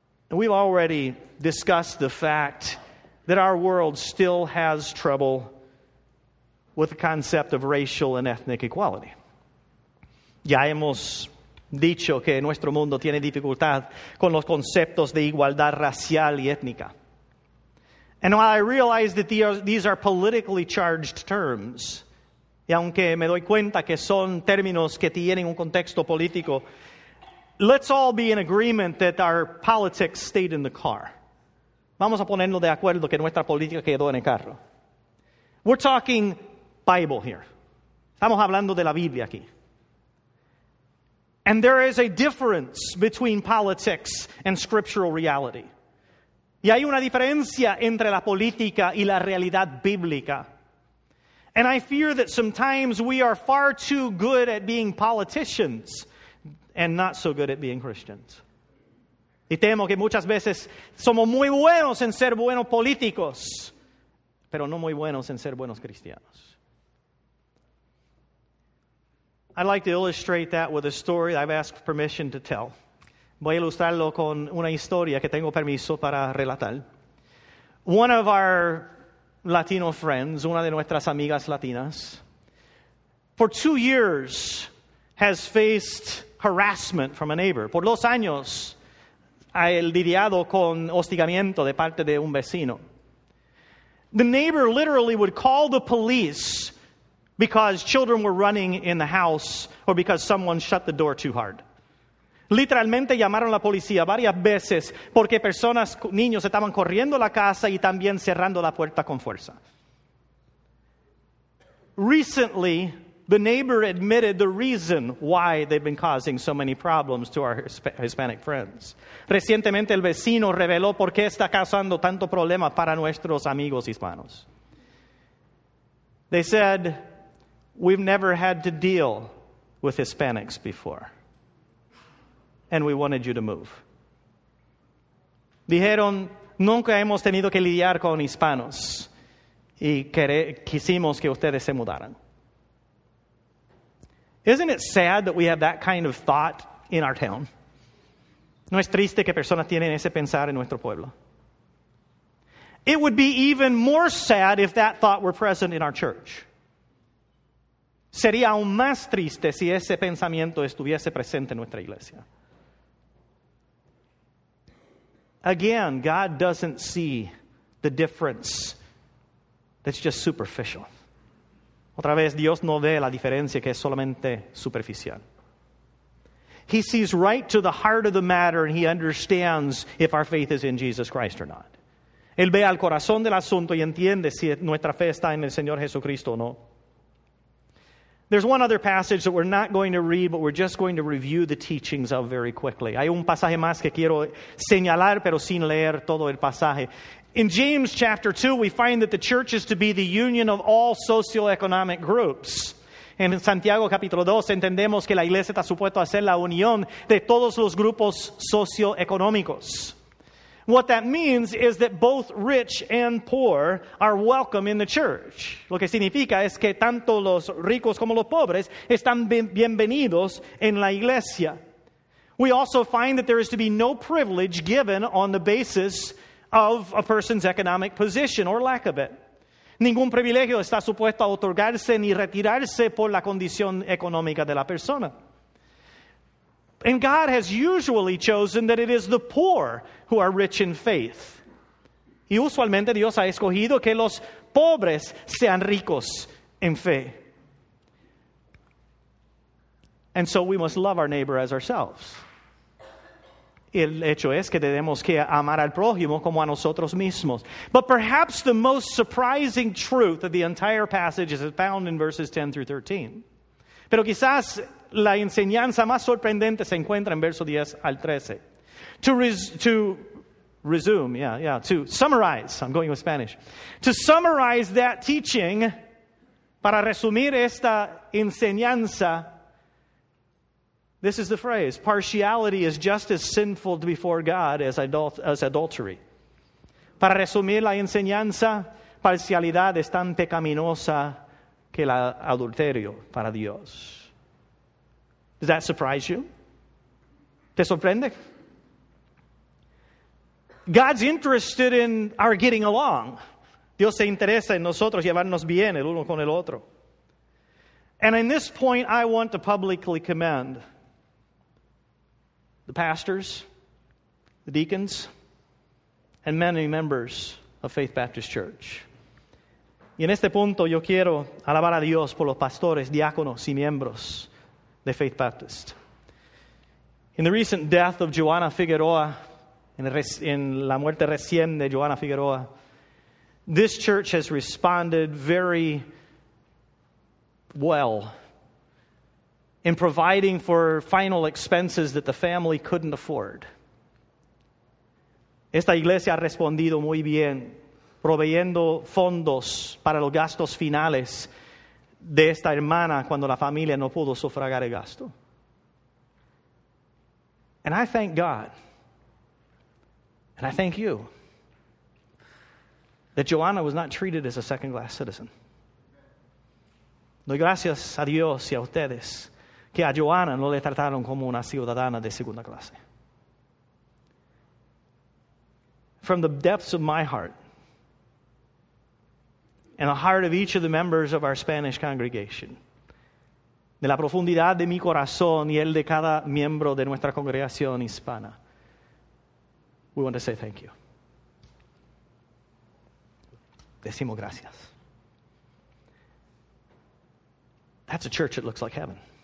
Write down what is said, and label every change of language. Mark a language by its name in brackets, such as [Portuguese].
[English] We've already discussed the fact that our world still has trouble with the concept of racial and ethnic equality. [Spanish] Ya hemos dicho que nuestro mundo tiene dificultad con los conceptos de igualdad racial y étnica. [English] And while I realize that these are politically charged terms, [Spanish] y aunque me doy cuenta que son términos que tienen un contexto político, [English] let's all be in agreement that our politics stayed in the car. [Spanish] Vamos a ponernos de acuerdo que nuestra política quedó en el carro. [English] We're talking Bible here. [Spanish] Estamos hablando de la Biblia aquí. [English] And there is a difference between politics and scriptural reality. [Spanish] Y hay una diferencia entre la política y la realidad bíblica. [English] And I fear that sometimes we are far too good at being politicians and not so good at being Christians. [Spanish] Y temo que muchas veces somos muy buenos en ser buenos políticos, pero no muy buenos en ser buenos cristianos. [English] I'd like to illustrate that with a story I've asked permission to tell. [Spanish] Voy a ilustrarlo con una historia que tengo permiso para relatar. [English] One of our Latino friends, [Spanish] una de nuestras amigas latinas, [English] for 2 years has faced harassment from a neighbor. [Spanish] Por 2 años ha lidiado con hostigamiento de parte de un vecino. [English] The neighbor literally would call the police because children were running in the house or because someone shut the door too hard. [Spanish] Literalmente llamaron a la policía varias veces porque personas, niños, estaban corriendo la casa y también cerrando la puerta con fuerza. [English] Recently, the neighbor admitted the reason why they've been causing so many problems to our Hispanic friends. [Spanish] Recientemente, el vecino reveló por qué está causando tanto problema para nuestros amigos hispanos. [English] They said, "We've never had to deal with Hispanics before. And we wanted you to move." [Spanish] Dijeron, nunca hemos tenido que lidiar con hispanos. Y quisimos que ustedes se mudaran. [English] Isn't it sad that we have that kind of thought in our town? [Spanish] No es triste que personas tienen ese pensar en nuestro pueblo. [English] It would be even more sad if that thought were present in our church. [Spanish] Sería aún más triste si ese pensamiento estuviese presente en nuestra iglesia. [English] Again, God doesn't see the difference that's just superficial. [Spanish] Otra vez, Dios no ve la diferencia que es solamente superficial. [English] He sees right to the heart of the matter and he understands if our faith is in Jesus Christ or not. [Spanish] Él ve al corazón del asunto y entiende si nuestra fe está en el Señor Jesucristo o no. [English] There's one other passage that we're not going to read, but we're just going to review the teachings of very quickly. [Spanish] Hay un pasaje más que quiero señalar, pero sin leer todo el pasaje. [English] In James chapter 2, we find that the church is to be the union of all socioeconomic groups. [Spanish] En Santiago capítulo 2, entendemos que la iglesia está supuesta a ser la unión de todos los grupos socioeconómicos. [English] What that means is that both rich and poor are welcome in the church. [Spanish] Lo que significa es que tanto los ricos como los pobres están bienvenidos en la iglesia. [English] We also find that there is to be no privilege given on the basis of a person's economic position or lack of it. [Spanish] Ningún privilegio está supuesto a otorgarse ni retirarse por la condición económica de la persona. [English] And God has usually chosen that it is the poor who are rich in faith. [Spanish] Y usualmente Dios ha escogido que los pobres sean ricos en fe. [English] And so we must love our neighbor as ourselves. [Spanish] El hecho es que tenemos que amar al prójimo como a nosotros mismos. [English] But perhaps the most surprising truth of the entire passage is found in verses 10 through 13. [Spanish] Pero quizás la enseñanza más sorprendente se encuentra en verso 10 al 13. [English] To summarize that teaching, [Spanish] para resumir esta enseñanza, [English] this is the phrase, partiality is just as sinful before God as adultery. [Spanish] Para resumir la enseñanza, parcialidad es tan pecaminosa que el adulterio para Dios. [English] Does that surprise you? [Spanish] ¿Te sorprende? [English] God's interested in our getting along. [Spanish] Dios se interesa en nosotros llevarnos bien el uno con el otro. [English] And in this point, I want to publicly commend the pastors, the deacons, and many members of Faith Baptist Church. [Spanish] Y en este punto yo quiero alabar a Dios por los pastores, diáconos y miembros de Faith Baptist. [English] In the recent death of Joanna Figueroa, [Spanish] en la muerte recién de Joanna Figueroa, [English] this church has responded very well in providing for final expenses that the family couldn't afford. [Spanish] Esta iglesia ha respondido muy bien, proveyendo fondos para los gastos finales de esta hermana cuando la familia no pudo sufragar el gasto. [English] And I thank God, and I thank you, that Joanna was not treated as a second-class citizen. [Spanish] Doy gracias a Dios y a ustedes que a Joanna no le trataron como una ciudadana de segunda clase. [English] From the depths of my heart and the heart of each of the members of our Spanish congregation, [Spanish] de la profundidad de mi corazón y el de cada miembro de nuestra congregación hispana, [English] we want to say thank you. [Spanish] Decimos gracias. [English] That's a church that looks like heaven.